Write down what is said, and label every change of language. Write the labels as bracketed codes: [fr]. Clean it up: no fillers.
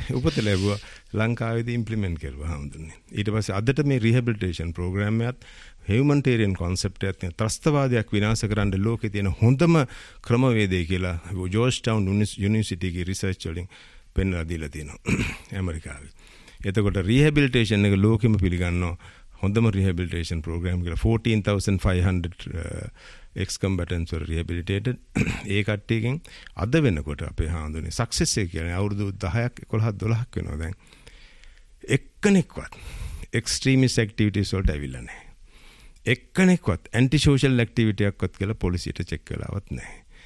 [si] උපත ලැබුවා, ලංකාවේදී ඉම්ප්ලිමන්ට් කරුවා හැමදෙන්නේ. ඊට පස්සේ අදට මේ රිහැබිලිටේෂන් ප්‍රෝග්‍රෑම් එකත් හියුමනිටේරියන් කන්සෙප්ට් එකත් ත්‍රස්තවාදයක් විනාශ කරන්න ලෝකේ තියෙන හොඳම ක්‍රමවේදය කියලා ජෝර්ජ් ටවුන් යුනිවර්සිටිගේ රිසර්ච් වලින් පෙන්වලා දීලා තියෙනවා ඇමරිකාවේ. එතකොට රිහැබිලිටේෂන් එක ලෝකෙම පිළිගන්නවා හොඳම රිහැබිලිටේෂන් ප්‍රෝග්‍රෑම් කියලා. [en] 14,500 ex combatants were rehabilitated. [si] ඒ කට්ටියකින් අද වෙනකොට අපේ හාමුදුරනේ සක්සස් එක කියන්නේ අවුරුදු 10ක් 11ක් 12ක් වෙනවා දැන්. එක්කෙනෙක්වත් extremist activities වලට ඇවිල්ලා නැහැ. එක්කෙනෙක්වත් anti social activity එකක්වත් කියලා පොලිසියට චෙක් කළාවත් නැහැ.